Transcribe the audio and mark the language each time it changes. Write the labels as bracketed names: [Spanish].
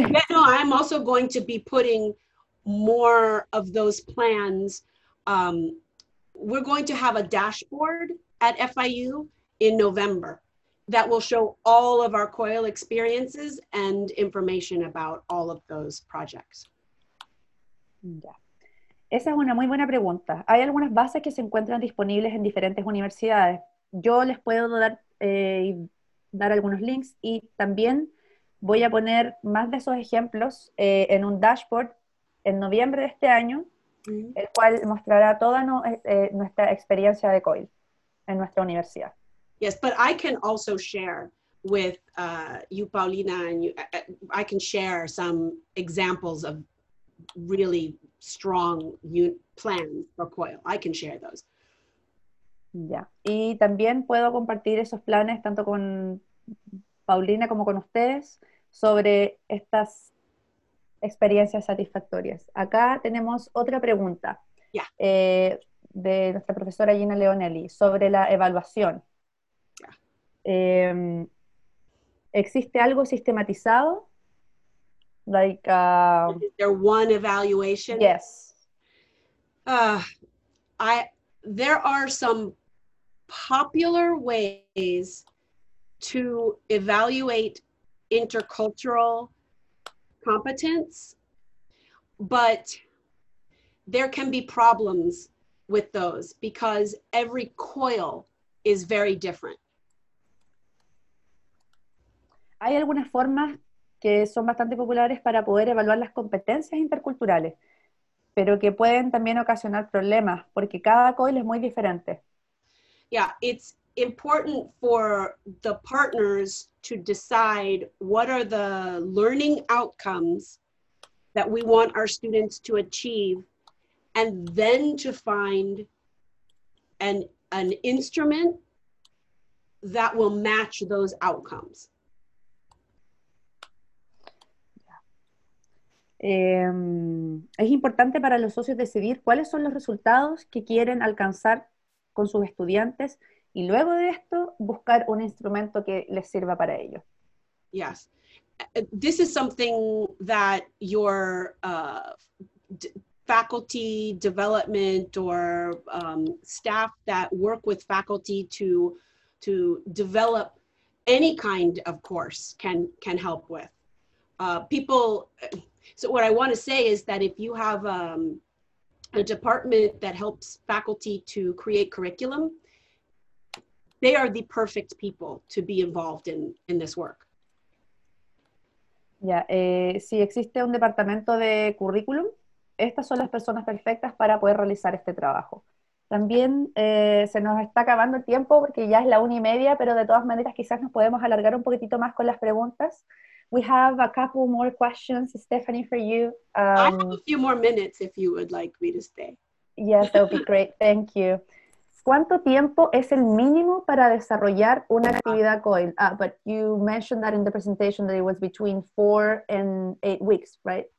[English] No, I'm also going to be putting more of those plans. We're going to have a dashboard at FIU in November that will show all of our COIL experiences and information about all of those projects. [Spanish] Yeah. Esa es una muy buena pregunta. Hay algunas bases que se encuentran disponibles en diferentes universidades. Yo les puedo dar... dar algunos links, y también voy a poner más de esos ejemplos en un dashboard en noviembre de este año, el cual mostrará toda nuestra experiencia de COIL en nuestra universidad. [English] Yes, but I can also share with you, Paulina, and you, I can share some examples of really strong plans for COIL. I can share those. [Spanish] Ya, y también puedo compartir esos planes tanto con Paulina como con ustedes sobre estas experiencias satisfactorias. Acá tenemos otra pregunta de nuestra profesora Gina Leonelli sobre la evaluación. ¿Existe algo sistematizado? Like, [English] is there one evaluation? Yes. There are some popular ways to evaluate intercultural competence, but there can be problems with those because every COIL is very different. [Spanish] Hay algunas formas que son bastante populares para poder evaluar las competencias interculturales, pero que pueden también ocasionar problemas porque cada COIL es muy diferente. [English] Yeah, it's important for the partners to decide what are the learning outcomes that we want our students to achieve, and then to find an instrument that will match those outcomes. [Spanish] Es importante para los socios decidir cuáles son los resultados que quieren alcanzar con sus estudiantes. Y luego de esto, buscar un instrumento que les sirva para ello. [English] Yes. This is something that your faculty development or staff that work with faculty to develop any kind of course can help with. So what I want to say is that if you have a department that helps faculty to create curriculum, they are the perfect people to be involved in this work. [Spanish] Ya, si existe un departamento de currículum, estas son las personas perfectas para poder realizar este trabajo. También se nos está acabando el tiempo porque ya es la 1:30, pero de todas maneras quizás nos podemos alargar un poquitito más con las preguntas. [English] We have a couple more questions, Stephanie, for you. I have a few more minutes if you would like me to stay. Yes, that would be great. Thank you. [Spanish] ¿Cuánto tiempo es el mínimo para desarrollar una actividad COIL? [English] But you mentioned that in the presentation that it was between 4 and 8 weeks, right?